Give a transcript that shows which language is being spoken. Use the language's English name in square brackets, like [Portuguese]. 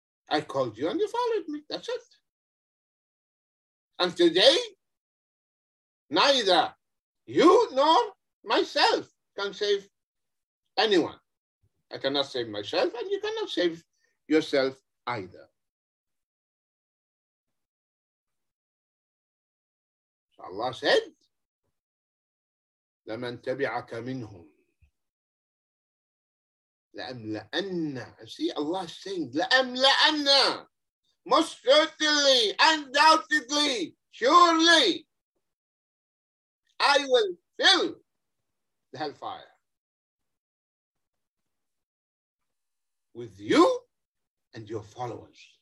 [English] I called you and you followed me. That's it. And today, neither you nor myself can save anyone. I cannot save myself, and you cannot save yourself either. So Allah said, [Arabic] لَمَنْ تَبِعَكَ مِنْهُمْ لَأَمْلَأَنَّ. [English] See, Allah is saying, [Arabic] لَأَمْلَأَنَّ. [English] Most certainly, undoubtedly, surely, I will fill the hellfire with you and your followers.